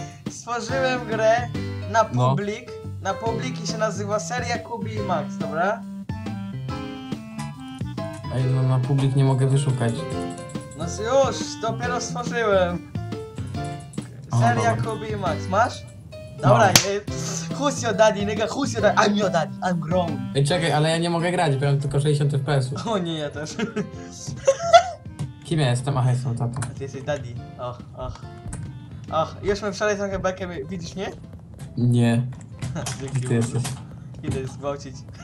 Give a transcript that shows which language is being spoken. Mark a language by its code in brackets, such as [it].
[pl] Stworzyłem grę na publik. No. Na publik i się nazywa Seria Kubi i Max, dobra? Ej, no na publik nie mogę wyszukać. No już, dopiero stworzyłem. Seria Kubi i Max, masz? [en] Dobra, who's your daddy, nigga, who's your daddy, I'm your daddy, I'm grown. [pl] Ej, czekaj, ale ja nie mogę grać, bo mam tylko 60 FPS-ów. O nie, ja też. Kim ja jestem? Aha, jestem tato. A ty jesteś daddy, och. Och, już mam wszelej trochę bekiem, widzisz mnie? Nie. Dzięki. Gdzie ty jesteś? Idę zgwałcić.